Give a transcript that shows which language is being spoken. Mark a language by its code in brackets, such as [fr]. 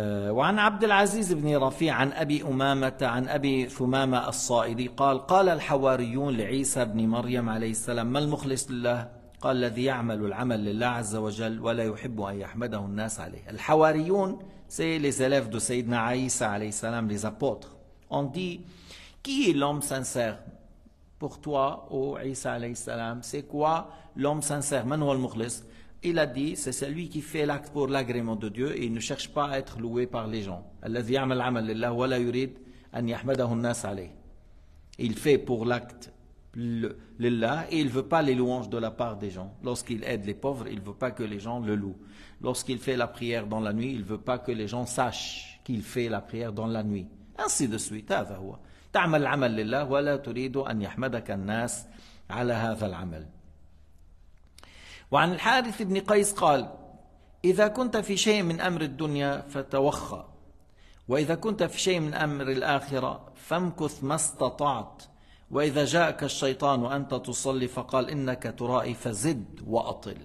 [ar] وعن عبد العزيز بن رفيع عن أبي أمامة عن أبي ثمامة الصائدي قال قال الحواريون لعيسى بن مريم عليه السلام ما المخلص لله؟ قال الذي يعمل العمل لله عز وجل ولا يحب أن يحمده الناس عليه. [fr] الحواريون c'est les élèves de سيدنا عيسى عليه السلام, les apôtres. On dit qui est l'homme sincère pour toi ô عيسى عليه السلام, c'est quoi l'homme sincère, [ar] من هو المخلص؟ [fr] Il a dit, c'est celui qui fait l'acte pour l'agrément de Dieu et il ne cherche pas à être loué par les gens. [ar] الذي يعمل العمل لله ولا يريد أن يحمده الناس عليه. [fr] Il fait pour l'acte لله et il ne veut pas les louanges de la part des gens. Lorsqu'il aide les pauvres, il ne veut pas que les gens le louent. Lorsqu'il fait la prière dans la nuit, il ne veut pas que les gens sachent qu'il fait la prière dans la nuit. Ainsi de suite. [ar] هذا هو. تعمل العمل لله ولا تريد أن يحمدك الناس على هذا العمل. وعن الحارث بن قيس قال إذا كنت في شيء من أمر الدنيا فتوخى وإذا كنت في شيء من أمر الآخرة فامكث ما استطعت وإذا جاءك الشيطان وأنت تصلي فقال إنك ترائي فزد وأطل.